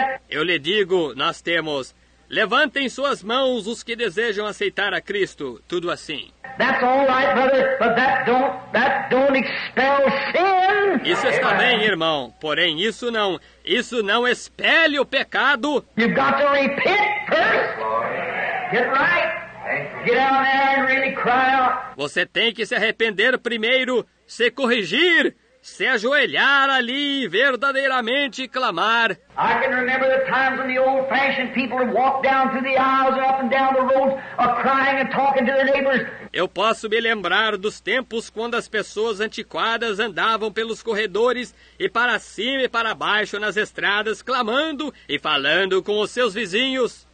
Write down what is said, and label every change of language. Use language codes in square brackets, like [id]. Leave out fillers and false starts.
[pt] Eu lhe digo, nós temos, levantem suas mãos os que desejam aceitar a Cristo, tudo assim. [en] That's all right, brother, but that don't expel sin. [pt] Isso está bem, irmão, porém isso não expele o pecado. [en] You've got to repent first. Get right. Get out there and really cry out. [pt] Você tem que se arrepender primeiro, se corrigir, se ajoelhar ali e verdadeiramente clamar. [en] I can remember the times when the old-fashioned people would walk down through the aisles and up and down the roads, crying and talking to their neighbors. [pt] Eu posso me lembrar dos tempos quando as pessoas antiquadas andavam pelos corredores e para cima e para baixo nas estradas, clamando e falando com os seus vizinhos.